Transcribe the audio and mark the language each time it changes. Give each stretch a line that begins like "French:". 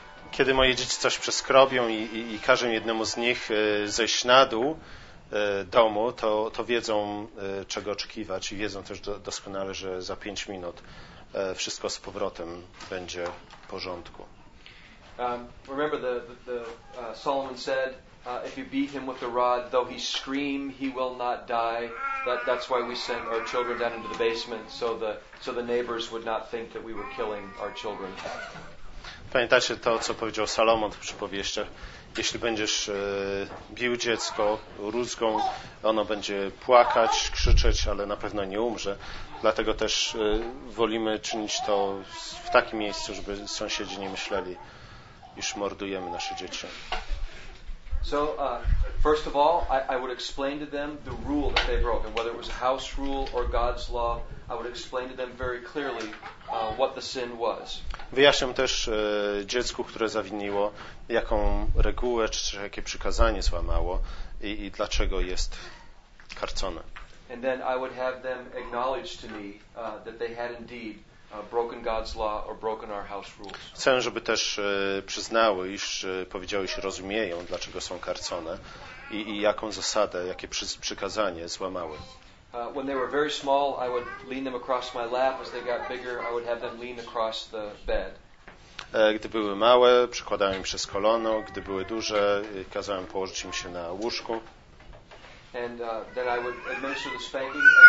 Polish: Kiedy moje dzieci coś przeskrobią i każę jednemu z nich zejść na dół domu, to wiedzą, czego oczekiwać i wiedzą też doskonale, że za 5 minut wszystko z powrotem będzie w porządku.
English: Remember Solomon said, if you beat him with a rod, though he scream, he will not die. That's why we sent our children down into the basement, so the neighbors would not think that we were killing our children.
Polish: Pamiętacie to, co powiedział Salomon w przypowieściach? Jeśli będziesz bił dziecko rózgą, ono będzie płakać, krzyczeć, ale na pewno nie umrze. Dlatego też wolimy czynić to w takim miejscu, żeby sąsiedzi nie myśleli, iż mordujemy nasze dzieci.
English: So, first of all, I would explain to them the rule that they broke, and whether it was a house rule or God's law, I would explain to them very clearly what the sin was.
Polish: Wyjaśniam też dziecku, które zawiniło, jaką regułę czy jakie przykazanie złamało i dlaczego jest karcone.
English: And then I would have them acknowledge to me that they had indeed broken God's law or broken our house rules.
Polish: Chcę, żeby też przyznały, iż powiedziały, iż rozumieją, dlaczego są karcone i jaką zasadę, jakie przykazanie złamały.
English: When they were very small, I would lean them across my lap. As they got bigger, I would have them lean across the bed.
Polish: Gdy były małe, przykładałem im przez kolano. Gdy były duże, kazałem położyć im się na łóżku.
English: And then I would administer the spanking.